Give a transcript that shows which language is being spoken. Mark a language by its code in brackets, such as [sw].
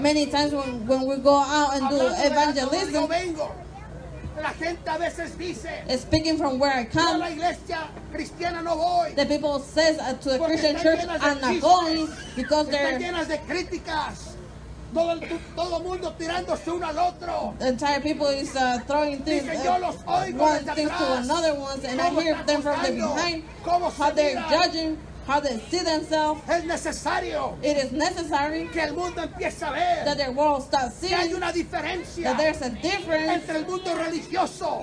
[en] many times when we go out and do evangelism, [es] domingo, la gente a veces dice, [en] speaking from where I come, [es] a la iglesia cristiana no voy, [en] the people says to the Christian church, I'm not going, because they're [es] llenas de críticas, todo el mundo tirándose uno al otro, [en] the entire people is throwing things, [es] dice, yo los oigo, [en] one thing to another ones, and I hear them from the behind, [es] ¿cómo [en] how [es] se [en] they're [es] mira? [en] Judging how they see themselves. [es] Es necesario, [en] it is necessary, [es] que el mundo empiece a ver, [en] that the world starts seeing, [es] que hay una diferencia, [en] that there's a difference, [es] entre el mundo religioso,